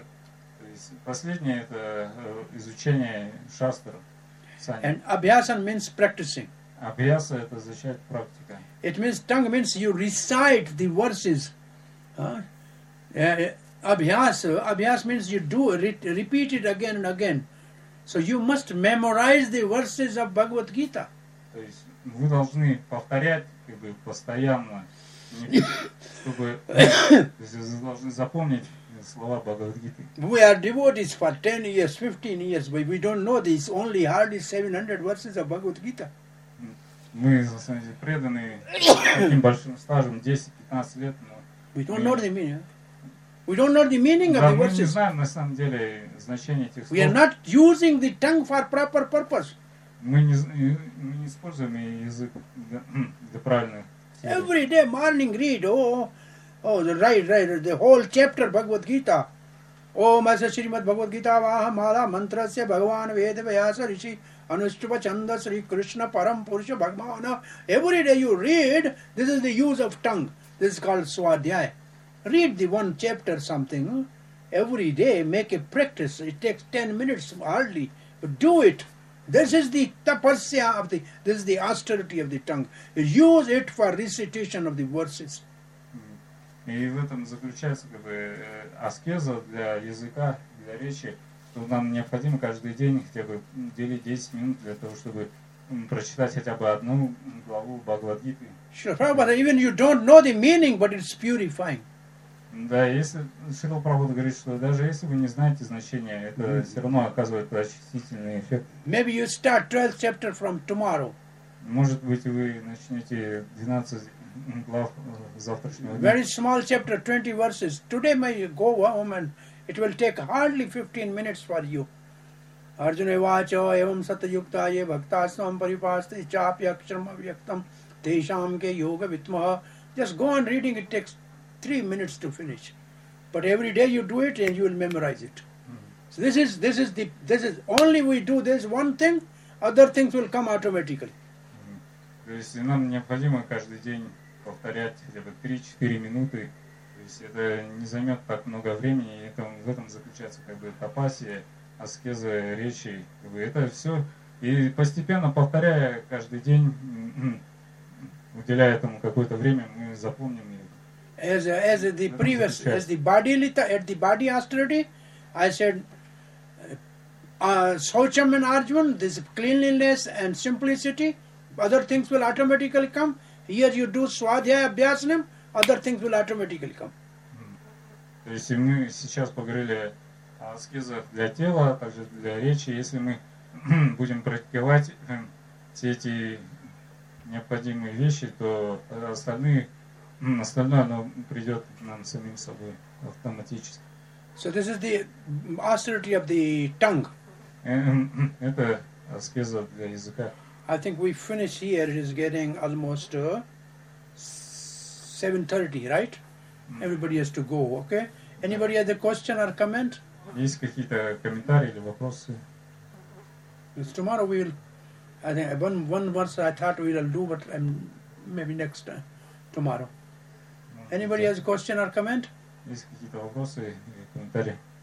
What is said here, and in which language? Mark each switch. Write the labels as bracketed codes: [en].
[ru] То есть последнее это изучение Шастра. [en] And Abhyasan means practicing. [ru] Абьяса это означает практика. [en] It means tongue means you recite the verses. Абьяса means you do repeat it again and again. So you must memorize the verses of Bhagavad Gita. [ru] То есть вы должны повторять как бы постоянно, чтобы вы должны запомнить слова Бхагавад-гиты. [en] We are devotees for 10 years, 15 years, but we don't know this, only hardly 700 verses of Bhagavad-gita. [ru] Мы, на самом деле, преданы таким большим стажем, 10-15 лет, но... [en] We don't know the meaning. We don't know the meaning of the verses. [ru] Мы не знаем, на самом деле, значение этих слов. [en] We are not using the tongue for proper purpose. [ru] Мы не используем язык для правильных целей. [en] Every day morning read, the whole chapter Bhagavad Gita. [sa] Om Asa Srimad Bhagavad Gita Vahamala Mantrasya Bhagavan Veda Vyasa Rishi Anushtupa Chanda Sri Krishna Param Purusha Bhagavana. [en] Every day you read, this is the use of tongue. This is called Swadhyaya. Read the one chapter something. Every day make a practice. It takes 10 minutes hardly. But do it. This is the tapasya of the, this is the austerity of the tongue. Use it for recitation of the verses. [ru] И в этом заключается как бы аскеза для языка, для речи, что нам необходимо каждый день хотя бы делить 10 минут для того, чтобы прочитать хотя бы одну главу Бхагавад-гиты. [en] Шрила Прабхупада, even you don't know the meaning, but it's purifying. [ru] Да, если Шрила Прабхупада говорит, что даже если вы не знаете значение, это все равно оказывает очистительный эффект. [en] Maybe you start 12th chapter from tomorrow. [ru] Может быть, вы начнете 12 глав завтрашнего дня. [en] Very small chapter, 20 verses. Today may you go home and it will take hardly 15 minutes for you. [sa] Arjuna vacha evam satyukta ye bhaktasvam paripasti chapya akshram avyaktam tesham ke yoga vitmah. [en] Just go on reading, it takes 3 minutes to finish. But every day you do it and you will memorize it. So this is only we do this one thing, other things will come automatically. [ru] То есть нам необходимо каждый день повторять хотя бы 3-4 минуты. То есть это не займет так много времени, и это, в этом заключается как бы тапасия, аскеза речи. Как бы это все. И постепенно повторяя каждый день, уделяя этому какое-то время, мы запомним ее. [en] As the previous, as the body litha, at the body austerity, I said Saucham and Arjun, this cleanliness and simplicity. Other things will automatically come. Here you do Swadhyaya Abhyasanam, other things will automatically come. [ru] То есть мы сейчас поговорили о аскезах для тела, а также для речи. Если мы будем практиковать все эти необходимые вещи, то остальное оно придет нам самим собой автоматически. [en] So this is the austerity of the tongue. [ru] Это аскеза для языка. [en] I think we finish here, it is getting almost 7:30, right? Everybody has to go, okay? Anybody has a question or comment? [ru] Есть какие-то комментарии или вопросы? [en] Tomorrow we will, I think one verse I thought we will do, but maybe next time, tomorrow. Anybody has a question or comment? [ru] Есть какие-то вопросы или комментарии?